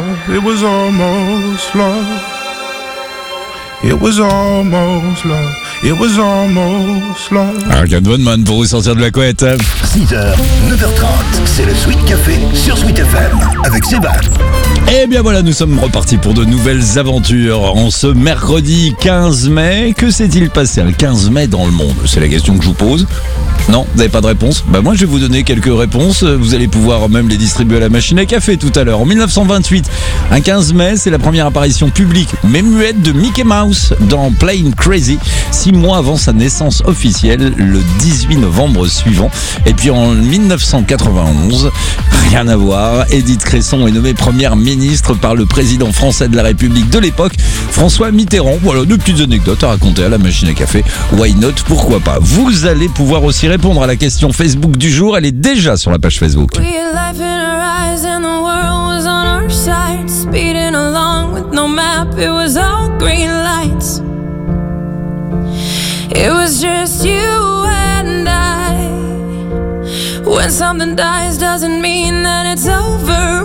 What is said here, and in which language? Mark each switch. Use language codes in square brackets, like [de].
[en] it was almost love, it was almost love, it was almost love. [fr] Alors, Goodman pour vous sortir de la couette. 6h, 9h30, c'est le Sweet Café sur Sweet FM avec Sebad. Et bien voilà, nous sommes repartis pour de nouvelles aventures en ce mercredi 15 mai. Que s'est-il passé le 15 mai dans le monde? C'est la question que je vous pose. Non, vous n'avez pas de réponse? Bah moi je vais vous donner quelques réponses, vous allez pouvoir même les distribuer à la machine à café tout à l'heure. En 1928, un 15 mai, c'est la première apparition publique, mais muette, de Mickey Mouse dans Playing Crazy, 6 mois avant sa naissance officielle, le 18 novembre suivant. Et puis en 1991, rien à voir, Edith Cresson est nommée première ministre par le président français de la République de l'époque, François Mitterrand. Voilà, deux petites anecdotes à raconter à la machine à café, [en] why not, [fr] pourquoi pas. Vous allez pouvoir aussi répondre à la question Facebook du jour, elle est déjà sur la page Facebook. [en] We had life in our eyes and the world was on our side, speeding along with no map, it was all green lights. It was just you and I. When something dies doesn't mean that it's over.